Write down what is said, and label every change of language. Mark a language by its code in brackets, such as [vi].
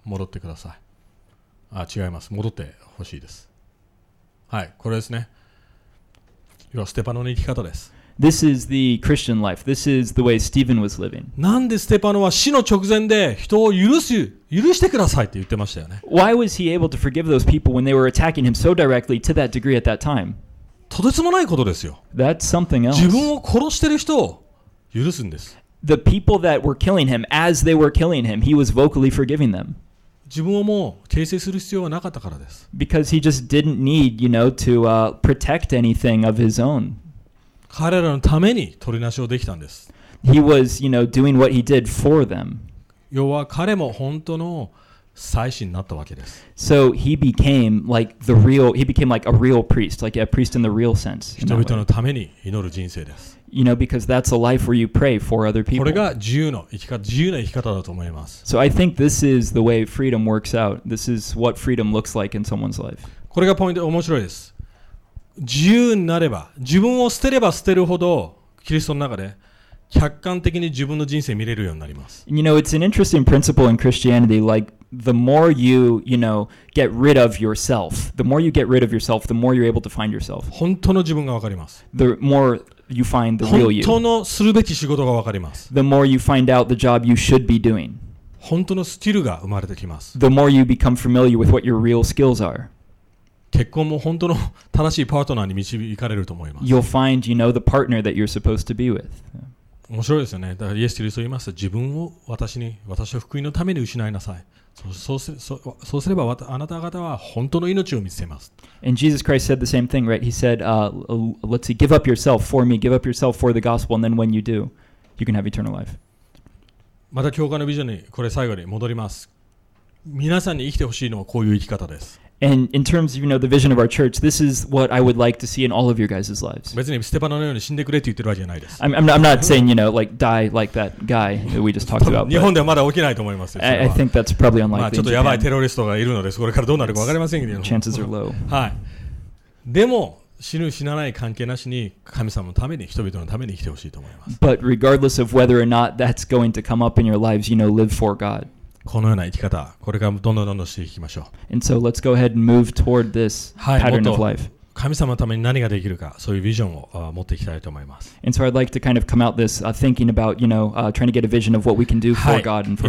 [ja] 戻ってください。あ、違います。戻ってほしいです。はい、これですね。要はステパノの生き方です。 [en] This is the Christian life. This is the way Stephen was living. [ja] なんでステパノは死の直前で人を許してくださいって言ってましたよね。 [en] Why was he able to forgive those people when they were attacking him so directly to that degree at that time? [ja] とてつもないことですよ。 [en] That's something else. [ja] 自分を殺してる人を許すんです。 [en] The people that were killing him, as they were killing him, he was vocally forgiving them. [ja] 自分をもう訂正する必要はなかったからです。 [en] Because he just didn't need, you know, to protect anything of his own. [ja] 彼らのために取りなしをできたんです。 [en] He was, you know, doing what he did for them. [ja] 要は彼も本当の祭司になったわけです。 [en] So he became like the real, he became like a real priest, like a priest in the real sense. [ja] 人々のために祈る人生です。 [en] You know, because that's a life where you pray for other people. [ja] これが自由の生き方、自由な生き方だと思います。 [en] So I think this is the way freedom works out. This is what freedom looks like in someone's life. [ja] これがポイント、面白いです。自由になれば、自分を捨てれば捨てるほど、キリストの中で、客観的に自分の人生を見れるようになります。 [en] You know, it's an interesting principle in Christianity, like,The more you, you know, get rid of yourself, the more you get rid of yourself, the more you're able to find yourself. [ja] 本当の自分がわかります。 [en] The more you find the real you. [ja] 本当のするべき仕事がわかります。 [en] The more you find out the job you should be doing. [ja] 本当のスキルが生まれてきます。 [en] The more you become familiar with what your real skills are. [ja] 結婚も本当の正しいパートナーに導かれると思います。 [en] You'll find, you know, the partner that you're supposed to be with. [ja] 面白いですよね。だからイエス・キリストは言います。自分を私を福音のために失いなさい。そうすればあなた方は本当の命を見つけます。 [en] And Jesus Christ said the same thing, right? He said, let's see, give up yourself for me, give up yourself for the gospel, and then when you do, you can have eternal life. [ja] また教会のビジョンにこれ最後に戻ります。皆さんに生きてほしいのはこういう生き方です。 [en] And in terms of, you know, the vision of our church, this is what I would like to see in all of your guys' lives. [ja] 別にステパノのように死んでくれって言ってるわけじゃないです。 [en] I'm not saying, you know, like die like that guy that we just talked about. [ja] 日本ではまだ起きないと思います。 [en] I think that's probably unlikely. [ja] まあちょっとやばいテロリストがいるのです。これからどうなるかわかりませんけど。 [en] Chances are low. [ja] はい。でも死ぬ死なない関係なしに神様のために人々のために生きてほしいと思います。 [en] But regardless of whether or not that's going to come up in your lives, you know, live for God. [ja] このような生き方、これからどんどんどんどんしていきましょう。 [en] And so let's go ahead and move toward this pattern of life. [ja] 神様のために何ができるか、そういうビジョンを持っていきたいと思います。 [en] And so I'd like to kind of come out this thinking about, you know, trying to get a vision of what we can do for God and for